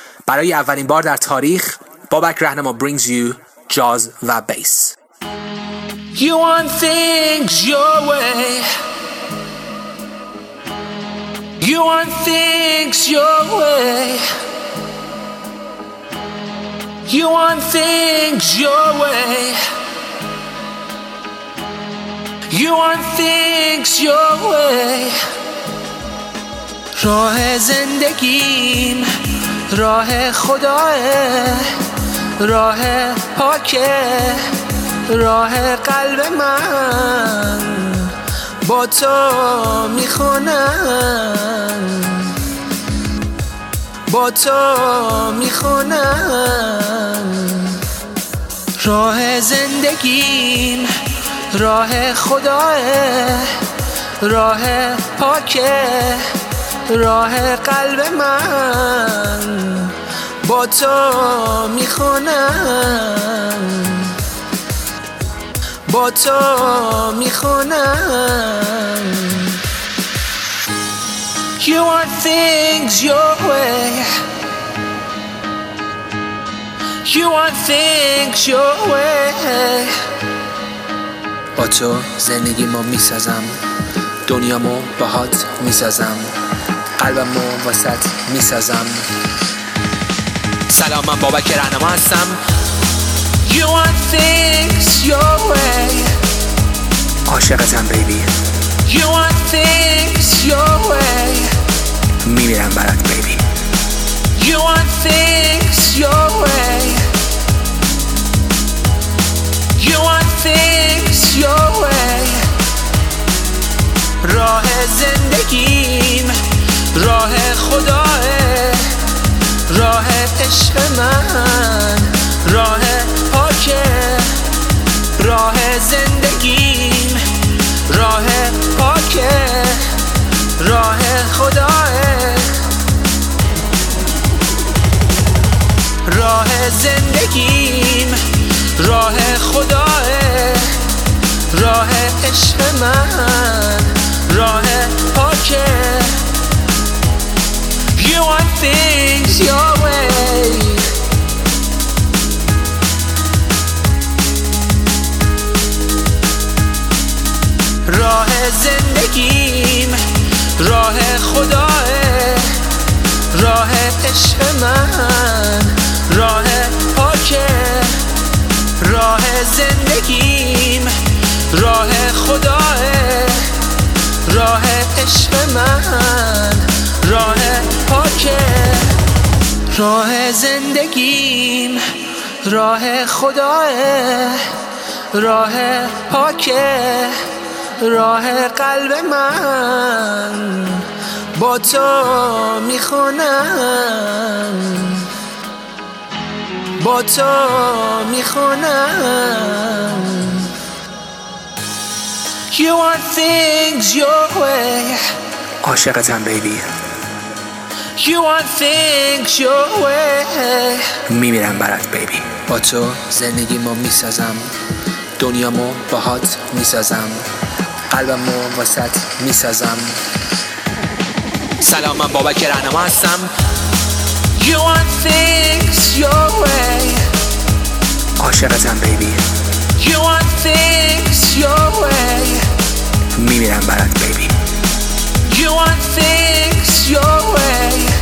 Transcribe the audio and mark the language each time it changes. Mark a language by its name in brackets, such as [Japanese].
[Persian] برای اولین بار در تاریخ بابک رهنما [English] brings you jazz [Persian] و bass. [English] You want things your way. You want things your way. You want things your way. You want things your way. [Persian] راه زندگیم راه خداه، راه پاکه، راه قلب من با تو میخونم، با تو میخونم. راه زندگیم راه خداه، راه پاکه، راه قلب من با تو میخونم، با تو میخونم. [English] You want things your way. You want things your way. [Persian] با تو زندگی ما میسازم، دنیا ما باهات میسازم، قلبم رو وسط میسازم. سلام، من بابک رهنما هستم. [English] You want things your way. [Persian] عاشقتم بیبی. [English] You want things your way. [Persian] میمیرم برات بیبی. [English] You want things your way. You want things your way. [Persian] راه زندگیم راه خداه، راه عشق من، راه پاکه، راه زندگیم، راه پاکه، راه خداه، راه زندگیم، راه خداه، راه عشق من، راه پاکه. [English] You want things your way. [Persian] راه زندگیم راه خداه، راه عشق من، راه پاکه، راه زندگیم راه خداه، راه عشق من، راه پاکه. راه زندگیم راه خداه، راه پاکه، راه قلب من با تو میخونم، با تو میخونم. [English] You want things your way. [Persian] عاشقتم بیبی. [English] You want things your way. [Persian] میمیرم برات بیبی. با تو زندگی ما میسازم، دنیا ما باهات میسازم، قلبم ما وسط میسازم. سلام، من بابک رهنما هستم. [English] You want things your way. [Persian] عاشقتم بیبی. [English] You want things your way. [Persian] میمیرم برات بیبی. [English] You want things your way.